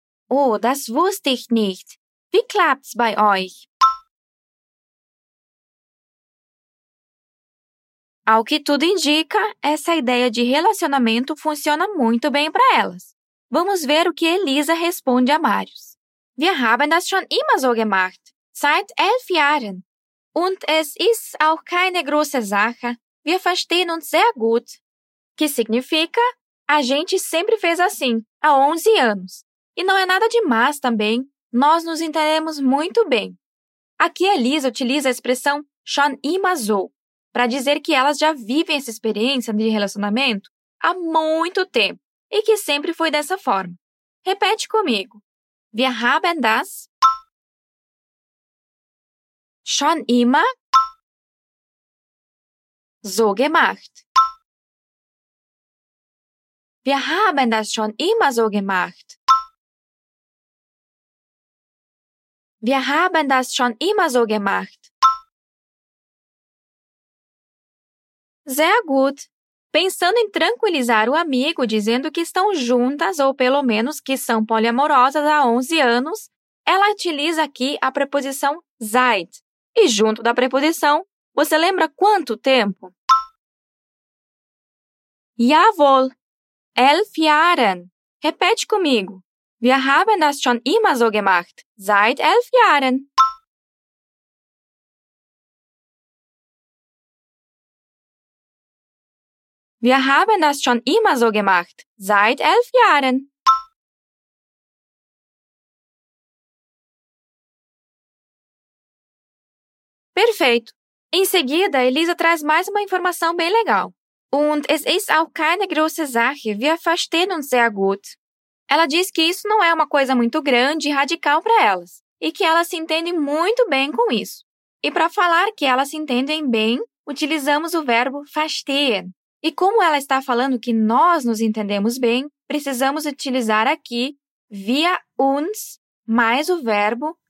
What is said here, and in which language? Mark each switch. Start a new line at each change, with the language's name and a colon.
German: Oh, das wusste ich nicht. Wie klappt's bei euch?
Portuguese: Ao que tudo indica, essa ideia de relacionamento funciona muito bem para elas. Vamos ver o que Elisa responde a Marius.
German: Wir haben das schon immer so gemacht, seit 11 Jahren. Und es ist auch keine große Sache, wir verstehen uns sehr gut.
Portuguese: Que significa, a gente sempre fez assim, há 11 anos. E não é nada demais também, nós nos entendemos muito bem. Aqui Elisa utiliza a expressão
German: schon immer so,
Portuguese: para dizer que elas já vivem essa experiência de relacionamento há muito tempo. E que sempre foi dessa forma. Repete comigo.
German: Wir haben das schon immer so gemacht. Wir haben das schon immer so gemacht. Wir haben das schon immer so gemacht. Sehr gut.
Portuguese: Pensando em tranquilizar o amigo dizendo que estão juntas ou, pelo menos, que são poliamorosas há 11 anos, ela utiliza aqui a preposição seit. E junto da preposição, você lembra quanto tempo?
German: Jawohl! 11 Jahren!
Portuguese: Repete comigo.
German: Wir haben das schon immer so gemacht. Seit 11 Jahren! Wir haben das schon immer so gemacht, seit 11 Jahren.
Portuguese: Perfeito. Em seguida, Elisa traz mais uma informação bem legal.
German: Und es ist auch keine große Sache, wir verstehen uns sehr gut.
Portuguese: Ela diz que isso não é uma coisa muito grande e radical para elas, e que elas se entendem muito bem com isso. E para falar que elas se entendem bem, utilizamos o verbo verstehen. E como ela está falando que nós nos entendemos bem, precisamos utilizar aqui
German: wir uns
Portuguese: mais o verbo.